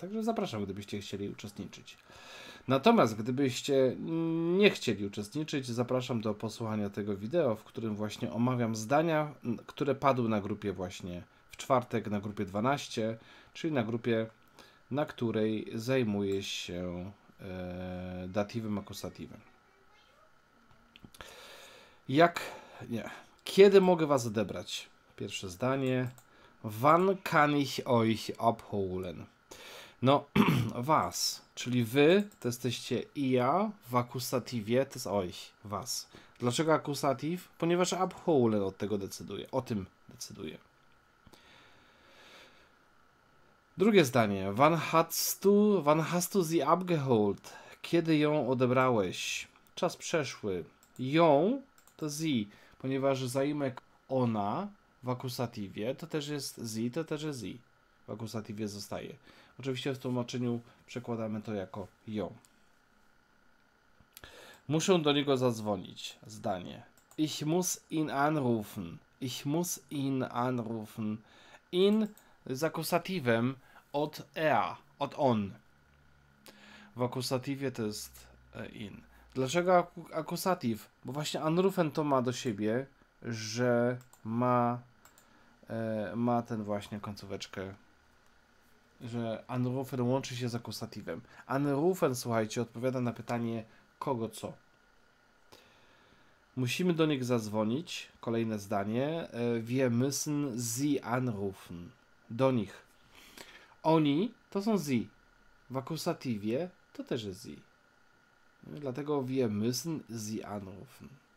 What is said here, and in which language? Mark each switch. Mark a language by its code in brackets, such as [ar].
[pl] Także zapraszam, gdybyście chcieli uczestniczyć. Natomiast gdybyście nie chcieli uczestniczyć, zapraszam do posłuchania tego wideo, w którym właśnie omawiam zdania, które padły na grupie właśnie w czwartek, na grupie 12, czyli na grupie, na której zajmuję się datywem, akusatywem. Jak, nie, kiedy mogę Was odebrać? Pierwsze zdanie. [de] Wann kann ich euch abholen? [pl] No, was, czyli wy to jesteście i ja w akusatywie, to jest euch, was. Dlaczego akusatyw? Ponieważ abholen od tego decyduje, o tym decyduje. Drugie zdanie. [de] Wann hast du sie abgeholt? [pl] Kiedy ją odebrałeś? Czas przeszły. Ją to sie, ponieważ zaimek ona. W akusatywie to też jest sie, to też jest sie. W akusatywie zostaje. Oczywiście w tłumaczeniu przekładamy to jako ją. Muszę do niego zadzwonić. Zdanie. [de] Ich muss ihn anrufen. Ich muss ihn anrufen. [pl] In z akusatywem od er, od on. W akusatywie to jest in. Dlaczego akusatyw? Bo właśnie anrufen to ma do siebie, że ma ten właśnie końcóweczkę, że anrufen łączy się z akusatywem. Anrufen, słuchajcie, odpowiada na pytanie kogo co. Musimy do nich zadzwonić. Kolejne zdanie. [de] Wir müssen sie anrufen. [pl] Do nich. Oni to są sie. W akusatywie to też jest sie. Dlatego [de] wir müssen sie anrufen.